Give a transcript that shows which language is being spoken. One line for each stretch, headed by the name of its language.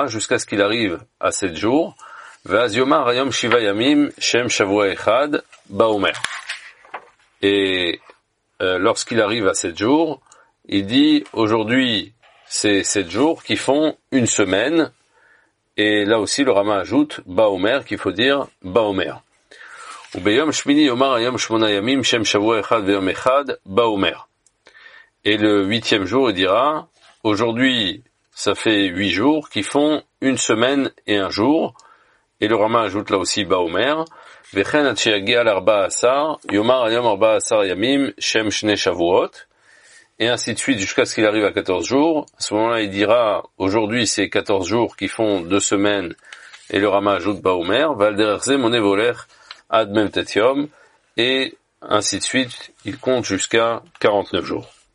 French: jusqu'à ce qu'il arrive à 7 jours. «
Hebrew: Ve'az Yomar Ayom Shiva Yamim Shem Shavua Echad Ba'omer
French: » et lorsqu'il arrive à 7 jours, il dit « Aujourd'hui, c'est 7 jours qui font une semaine » et là aussi le Rama ajoute « Ba'omer » qu'il faut dire « Ba'omer ».
Hebrew: וביום שמיני יאמר היום שמונה ימים שם שבוע אחד ויום אחד באומר.
French: Et le huitième jour, il dira, aujourd'hui, ça fait huit jours qui font une semaine et un jour. Et le Rama ajoute là aussi באומר. וכן עד שיגיע לארבע עשר, יאמר היום ארבע עשר ימים שם שני שבועות. Et ainsi de suite jusqu'à ce qu'il arrive à 14 jours. À ce moment-là, il dira, aujourd'hui, c'est 14 jours qui font deux semaines. Et le Rama ajoute באומר.
Hebrew: ולדרך מונה והולך Ad mem tetiom,
French: et ainsi de suite, il compte jusqu'à 49 jours.